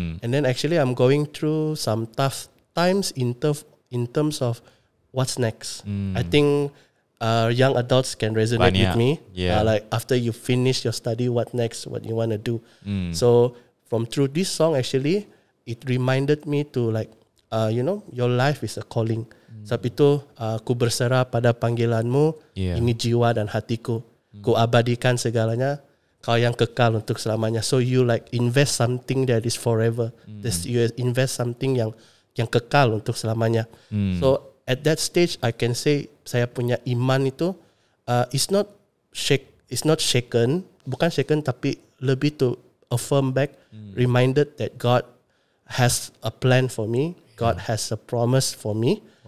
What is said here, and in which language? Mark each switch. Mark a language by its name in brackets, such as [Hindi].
[English] And then actually, I'm going through some tough times in terms of what's next? I think young adults can resonate with me. Yeah. Like after you finish your study, what next? What you want to do? So through this song, actually, it reminded me to like, you know, your life is a calling. [Malay] Sebab itu, ku berserah pada panggilanmu, ini jiwa dan hatiku. Ku abadikan segalanya, kau yang kekal untuk selamanya. [English] So you like invest something that is forever. You invest something [Malay] yang kekal untuk selamanya. [English] So at that stage, I can say [Malay] saya punya iman itu [English] it's not shaken, [Malay] bukan [English] shaken [Malay] tapi lebih [English] to affirm back, reminded that God has a plan for me, God has a promise for me.